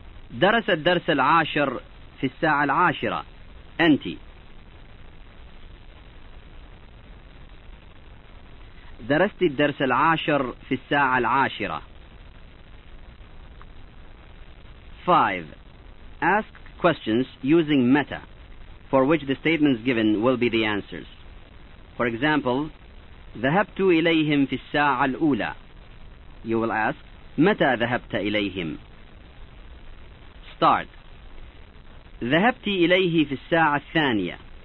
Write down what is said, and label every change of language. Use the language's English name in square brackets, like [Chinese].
[Arabic] درس الدرس العاشر في الساعة العاشرة. أنت. درست الدرس العاشر في الساعة العاشرة. [English] 5. Ask questions using meta, for which the statements given will be the answers. For example, [Arabic] ذهبت إليهم في الساعة الأولى. [English] You will ask, [Arabic] متى ذهبت إليهم? [English] Start. [Arabic] ذهبت إليه في الساعة الثانية.